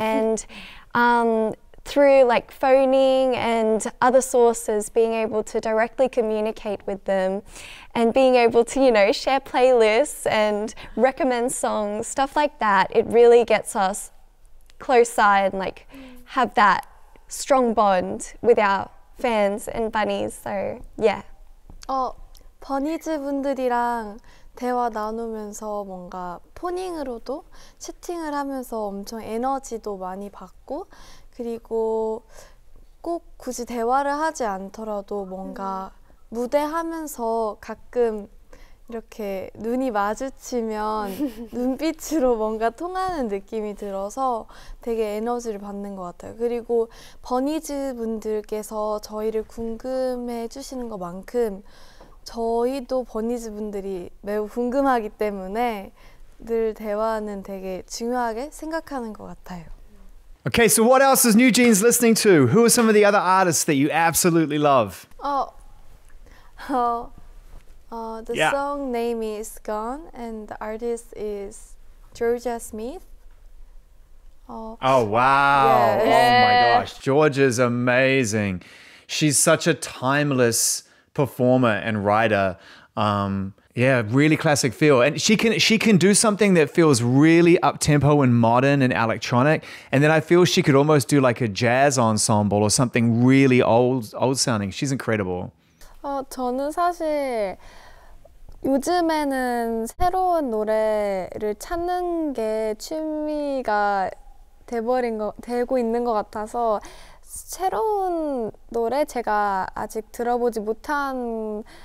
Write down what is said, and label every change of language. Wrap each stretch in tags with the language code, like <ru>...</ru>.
<en>And through like phoning and other sources, being able to directly communicate with them and being able to, you know, share playlists and recommend songs, stuff like that, it really gets us closer and like have that strong bond with our fans and bunnies. So yeah.</en> <ko>버니즈 분들이랑 대화 나누면서 뭔가 포닝으로도 채팅을 하면서 엄청 에너지도 많이 받고, 그리고 꼭 굳이 대화를 하지 않더라도 뭔가 무대하면서 가끔 이렇게 눈이 마주치면 눈빛으로 뭔가 통하는 느낌이 들어서 되게 에너지를 받는 것 같아요. 그리고 버니즈 분들께서 저희를 궁금해 주시는 것만큼 저희도 버니즈 분들이 매우 궁금하기 때문에 늘 대화는 되게 중요하게 생각하는 것 같아요.</ko> <en>Okay, so what else is NewJeans listening to? Who are some of the other artists that you absolutely love? Song name is Gone, and the artist is Jorja Smith. Wow. Yeah. Oh, my gosh. Jorja's amazing. She's such a timeless performer and writer. Yeah, really classic feel. And she can do something that feels really up-tempo and modern and electronic. And then I feel she could almost do like a jazz ensemble or something really old sounding. She's incredible.</en> <ko>저는 사실 요즘에는 새로운 노래를 찾는 게 취미가 되고 있는 것 같아서 새로운 노래 제가 아직 들어보지 못한</ko>